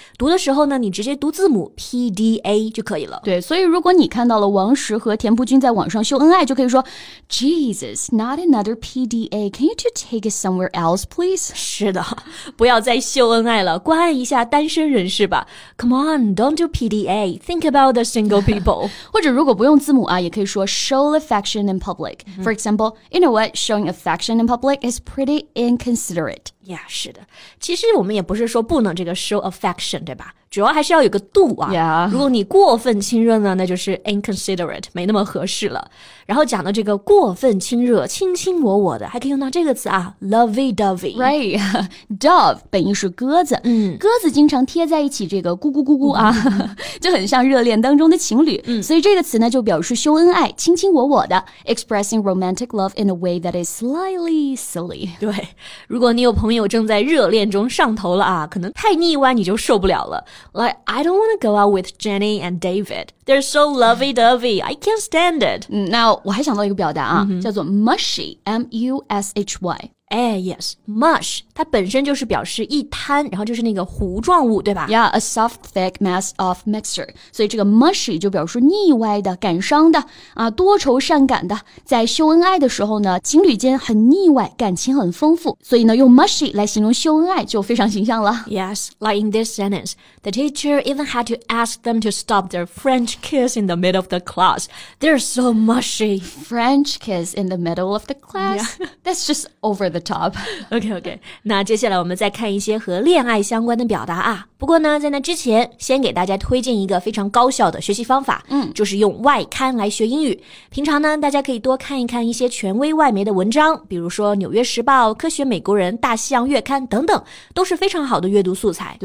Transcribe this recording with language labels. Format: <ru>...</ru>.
<zh>读的时候呢你直接读字母 PDA 就可以了。对，所以如果你看到了王石和田朴珺在网上秀恩爱，就可以说</zh> <en>Jesus, not another PDA, can you take it somewhere else, please?</en> <zh>是的，不要再秀恩爱了，关爱一下单身人士吧。</zh> <en>Come on, don't do PDA, think about the single people.</en> <zh>或者如果不用字母啊，也可以说 show affection in public.</zh> <en>For example, you know what, showing affection in public is pretty inconsiderate.</en> <zh>Yeah, 是的。其实我们也不是说不能这个</zh> <en>show affection,</en> <zh>对吧？主要还是要有个度啊。</zh> <en>Yeah.</en> <zh>如果你过分亲热呢，那就是 inconsiderate, 没那么合适了。然后讲到这个过分亲热，卿卿我我的，还可以用到这个词啊， lovey-dovey. Right. Dove, 本意是鸽子。鸽子经常贴在一起这个咕咕咕咕啊，就很像热恋当中的情侣。所以这个词呢，就表示秀恩爱，卿卿我我的，</zh> <en>expressing romantic love in a way that is slightly silly.</en> <zh>对。如果你有朋友正在热恋中上头了啊，可能太腻歪你就受不了了。</zh> <en>Like, I don't want to go out with Jenny and David. They're so lovey-dovey. I can't stand it.</en> <zh>Now, 我还想到一个表达啊，叫做 mushy, M-U-S-H-Y. 哎 yes, mush, 它本身就是表示一滩，然后就是那个糊状物，对吧？</zh> <en>Yeah, a soft, thick mass of mixture.</en> <zh>所以这个 mushy 就表示腻歪的、感伤的、啊、多愁善感的。在秀恩爱的时候呢，情侣间很腻歪，感情很丰富。所以呢，用 mushy 来形容秀恩爱就非常形象了。</zh> <en>Yes, like in this sentence, the teacher even had to ask them to stop their French kiss in the middle of the class. They're so mushy. French kiss in the middle of the class? Yeah. That's just over the top. Okay, okay.</en> <zh>那接下来我们再看一些和恋爱相关的表达啊。不过呢，在那之前，先给大家推荐一个非常高效的学习方法，就是用外刊来学英语。平常呢，大家可以多看一看一些权威外媒的文章，比如说《纽约时报》、《科学美国人》、《大西洋月刊》等等，都是非常好的阅读素材。</zh>